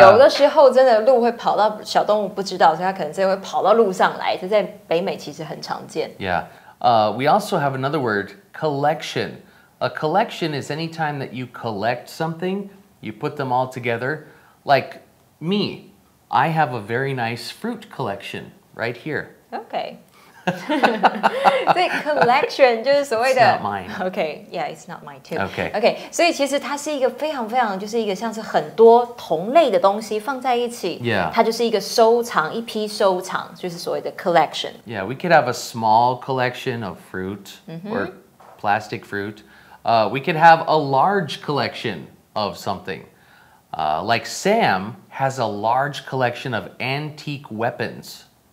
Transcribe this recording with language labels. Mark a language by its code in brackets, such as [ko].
[zh] 有的时候真的鹿会跑到小动物不知道, 所以它可能真的会跑到路上来, 这在北美其实很常见。 [en] Yeah, we also have another word, collection. A collection is any time that you collect something, you put them all together. Like me, I have a very nice fruit collection right here. Okay. The collection [zh] 就是所谓的... [en] It's not mine. Okay, yeah, it's not mine too. Okay. [zh] Okay, 所以其实它是一个非常非常就是一个像是很多同类的东西放在一起, [en] yeah. [zh] 它就是一个收藏, 一批收藏, 就是所谓的 collection. [en] Yeah, we could have a small collection of fruit, mm-hmm. or plastic fruit. We could have a large collection of something. Like Sam has a large collection of antique weapons.